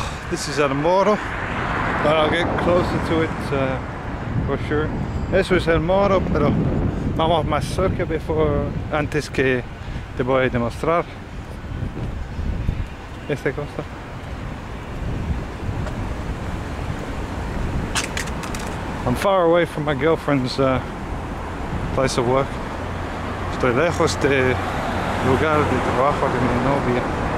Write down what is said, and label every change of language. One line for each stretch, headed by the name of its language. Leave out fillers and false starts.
English: This is El Moro, but I'll get closer to it for sure.
Spanish: Eso es El Moro, pero vamos más cerca
English: before,
Spanish: antes que te voy a demostrar esta cosa.
English: I'm far away from my girlfriend's place of work.
Spanish: Estoy lejos de lugar de trabajo de mi novia.